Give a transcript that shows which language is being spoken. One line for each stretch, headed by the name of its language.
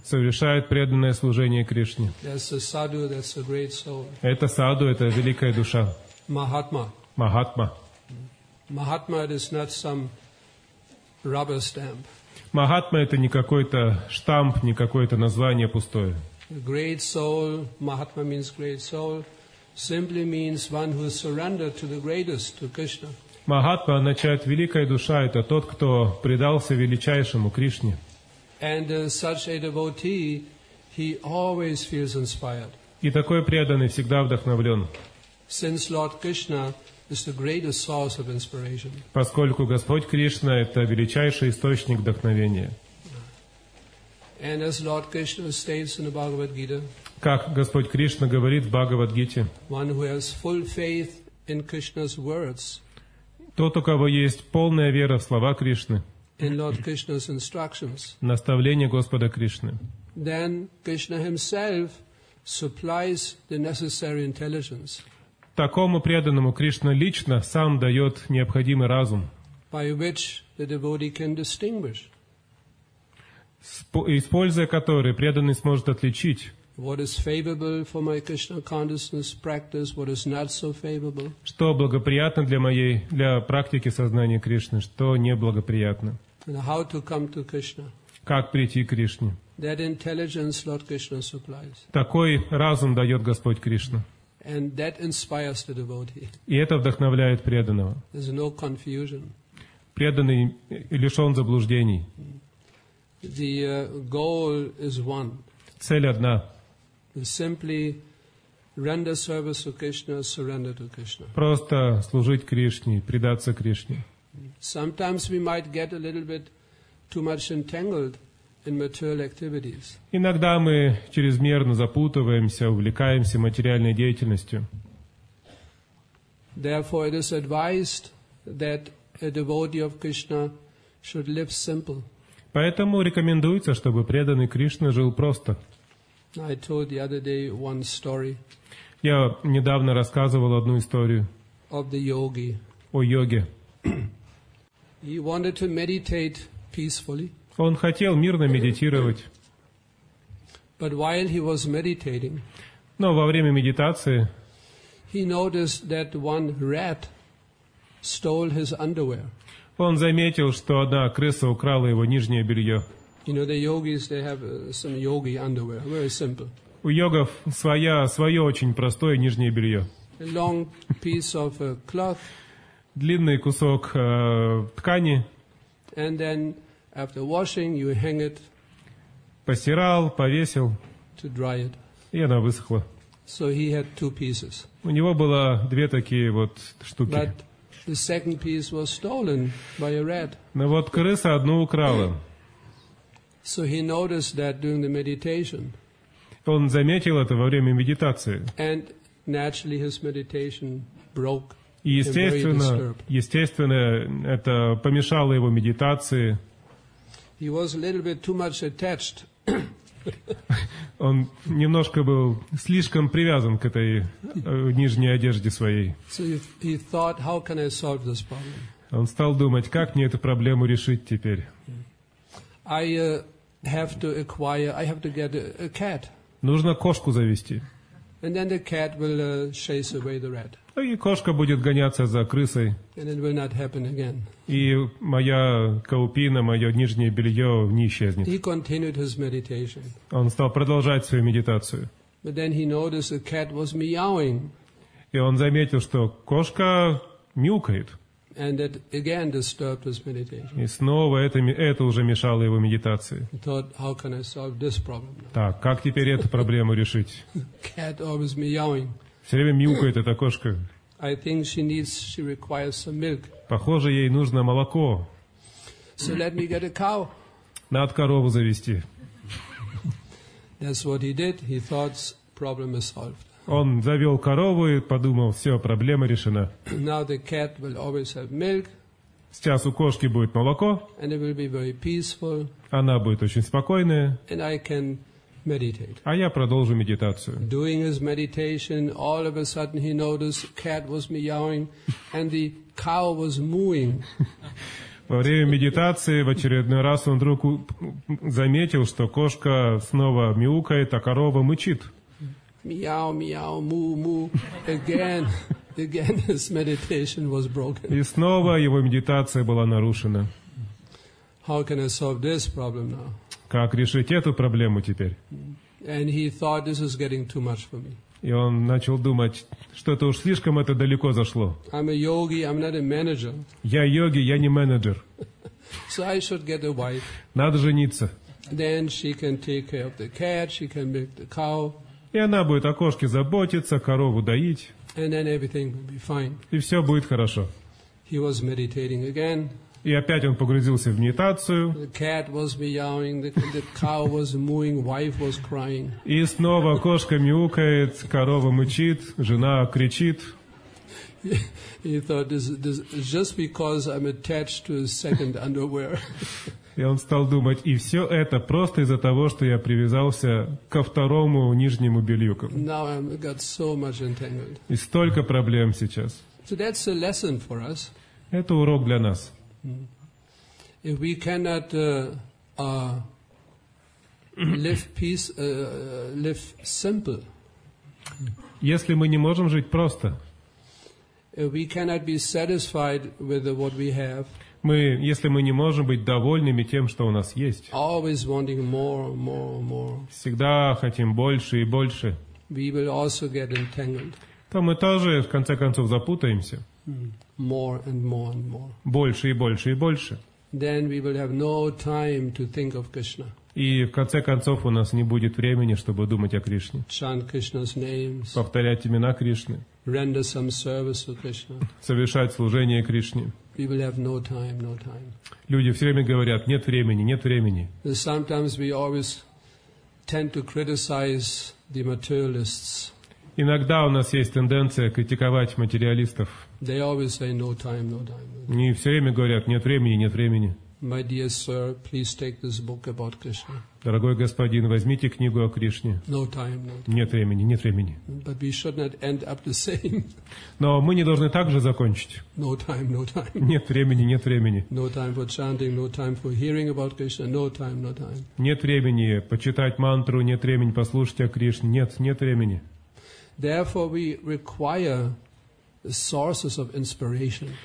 Russian: Совершает преданное служение Кришне.
English: That's a sadhu, that's a great soul.
Russian: Это саду, это великая душа.
English: Mahatma.
Russian: Mahatma.
English: Mahatma is not some rubber stamp.
Russian: Mahatma это не какой-то штамп, не какое-то название пустое.
English: Great soul, Mahatma means great soul, simply means one who surrendered to the greatest, to Krishna.
Russian: Mahatma означает великая душа, это тот, кто предался величайшему Кришне.
English: And such a devotee, he always feels inspired.
Russian: И такой преданный всегда вдохновлен.
English: Since Lord Krishna is the greatest source of inspiration.
Russian: Поскольку Господь Кришна это величайший источник вдохновения.
English: And as Lord Krishna states in the Bhagavad Gita.
Russian: Как Господь Кришна говорит в Бхагавад Гите.
English: One who has full faith in Krishna's words.
Russian: Тот, у кого есть полная вера в слова Кришны.
English: In Lord Krishna's instructions.
Russian: Наставление Господа Кришны.
English: Then Krishna himself supplies the necessary intelligence.
Russian: Такому преданному Кришна лично сам дает необходимый разум, используя который преданный сможет отличить
English: what is favorable for my Krishna consciousness practice, what is not so favorable.
Russian: Что благоприятно для моей для практики сознания Кришны, что неблагоприятно.
English: And how to come to Krishna?
Russian: Как прийти к Кришне?
English: That intelligence Lord Krishna supplies.
Russian: Такой разум дает Господь Кришна.
English: And that inspires the devotee.
Russian: И это вдохновляет преданного.
English: There's no confusion.
Russian: Преданный лишен заблуждений.
English: The goal is one.
Russian: Цель одна.
English: Simply render service to Krishna, surrender to Krishna.
Russian: Просто служить Кришне, предаться Кришне.
English: Sometimes we might get a little bit too much entangled in material activities.
Russian: Иногда мы чрезмерно запутываемся, увлекаемся материальной деятельностью.
English: Therefore, it is advised that a devotee of Krishna should live simple.
Russian: Поэтому рекомендуется, чтобы преданный Кришна жил просто.
English: I told the other day one story.
Russian: Я недавно рассказывал одну историю.
English: Of the yogi.
Russian: О йоге.
English: He wanted to meditate peacefully.
Russian: Он хотел мирно медитировать.
English: But while he was meditating,
Russian: но во время медитации,
English: he noticed that one rat stole his underwear.
Russian: Он заметил, что одна крыса украла его нижнее белье.
English: You know, the yogis, they have some yogi underwear, very simple.
Russian: У йогов свое очень простое нижнее белье.
English: A long piece of cloth.
Russian: Длинный кусок ткани.
English: And then after washing, you hang it.
Russian: Постирал, повесил.
English: To dry it.
Russian: И она высохла.
English: So he had two pieces.
Russian: У него было две такие вот штуки.
English: But the second piece was stolen by a rat.
Russian: Но вот крыса одну украла.
English: So he noticed that during the meditation.
Russian: Он заметил это во время медитации.
English: And naturally his meditation broke.
Russian: И естественно, это помешало его медитации.
English: He was a little bit too much attached.
Russian: Он немножко был слишком привязан к этой нижней одежде своей.
English: So he thought, how can I solve this problem?
Russian: Он стал думать, как мне эту проблему решить теперь.
English: I have to get a cat.
Russian: Нужно кошку завести.
English: And then the cat will chase away the rat.
Russian: И кошка будет гоняться за крысой.
English: And it will not happen again.
Russian: И моя каупина, мое нижнее белье не исчезнет.
English: He continued his meditation.
Russian: Он стал продолжать свою медитацию.
English: But then he noticed the cat was meowing.
Russian: И он заметил, что кошка мяукает.
English: And that again disturbed his meditation.
Russian: И снова это уже мешало его медитации.
English: He thought, how can I solve this problem now?
Russian: Так, как теперь эту проблему решить?
English: Cat always meowing.
Russian: Все время мяукает эта кошка.
English: I think she requires some milk.
Russian: Похоже, ей нужно молоко.
English: So let me get a cow.
Russian: Надо корову завести.
English: That's what he did. He thought problem is solved.
Russian: Он завел корову и подумал, все, проблема решена.
English: Now the cat will always have milk.
Russian: Сейчас у кошки будет молоко.
English: And it will be very peaceful.
Russian: Она будет очень спокойная.
English: And I can meditate.
Russian: А я продолжу медитацию.
English: Doing his meditation, all of a sudden he noticed cat was meowing and the cow was mooing.
Russian: Во время медитации в очередной раз он вдруг заметил, что кошка снова мяукает, а корова мычит.
English: Meow, meow, moo, moo. Again his meditation was broken.
Russian: И снова его медитация была нарушена.
English: How can I solve this problem now?
Russian: Как решить эту проблему теперь?
English: And he thought, this is getting too much for me.
Russian: И он начал думать, что это уж слишком это далеко зашло.
English: I'm a yogi, I'm not a manager.
Russian: Я йоги, я не менеджер.
English: So I should get a wife.
Russian: Надо жениться.
English: Then she can take care of the cat, she can milk the cow.
Russian: И она будет о кошке заботиться, корову доить.
English: And then everything will be fine.
Russian: И все будет хорошо.
English: He was meditating again.
Russian: И опять он погрузился в медитацию.
English: The cat was meowing, the cow was mooing, wife was crying.
Russian: И снова кошка мяукает, корова мычит, жена кричит.
English: He thought, this just because I'm attached to his second underwear.
Russian: И он стал думать, и все это просто из-за того, что я привязался ко второму нижнему белью.
English: Now I've got so much entangled.
Russian: И столько проблем сейчас.
English: So that's a lesson for us.
Russian: Это урок для нас.
English: If we cannot live simple.
Russian: Если мы не можем жить просто,
English: we cannot be satisfied with what we have.
Russian: Мы, если мы не можем быть довольными тем, что у нас есть,
English: always wanting more.
Russian: Всегда хотим больше и больше,
English: we will also get entangled.
Russian: То мы тоже, в конце концов, запутаемся.
English: More and more and more.
Russian: Больше и больше и больше.
English: Then we will have no time to think of Krishna.
Russian: И в конце концов у нас не будет времени, чтобы думать о Кришне.
English: Chant Krishna's names.
Russian: Повторять имена Кришны.
English: Render some service to Krishna.
Russian: Совершать служение Кришне.
English: We will have no time.
Russian: Люди все время говорят: нет времени.
English: Sometimes we always tend to criticize the materialists.
Russian: Иногда у нас есть тенденция критиковать материалистов.
English: They always say no time.
Russian: Они все время говорят: нет времени.
English: My dear sir, please take this book about Krishna.
Russian: Дорогой господин, возьмите книгу о Кришне.
English: No time.
Russian: Нет времени.
English: But we should not end up the same.
Russian: Но мы не должны так же закончить.
English: No time.
Russian: Нет времени.
English: No time for chanting, no time for hearing about Krishna, no time.
Russian: Нет времени почитать мантру, нет времени послушать о Кришне, нет времени.
English: Therefore we require sources of inspiration.